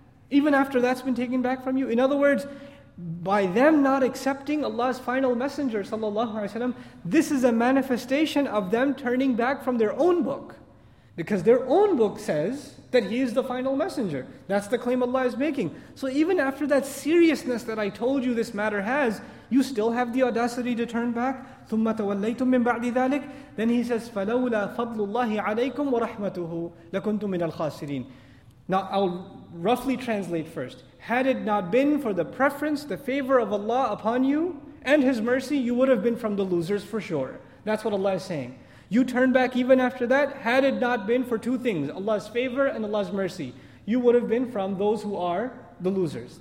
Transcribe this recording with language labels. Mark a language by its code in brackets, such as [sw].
[en] Even after that's been taken back from you? In other words, by them not accepting Allah's final messenger, sallallahu alaihi wasallam, this is a manifestation of them turning back from their own book. Because their own book says that He is the final messenger. That's the claim Allah is making. So even after that seriousness that I told you this matter has, you still have the audacity to turn back. [ar] ثُمَّ تَوَلَّيْتُمْ مِنْ بَعْدِ ذَلِكَ, [en] then he says, [ar] فَلَوْلَا فَضْلُ اللَّهِ عَلَيْكُمْ وَرَحْمَتُهُ لَكُنْتُمْ مِنَ الْخَاسِرِينَ. [en] Now I'll roughly translate first. Had it not been for the preference, the favor of Allah upon you, and His mercy, you would have been from the losers for sure. That's what Allah is saying. You turn back even after that, had it not been for two things, Allah's favor and Allah's mercy, you would have been from those who are the losers.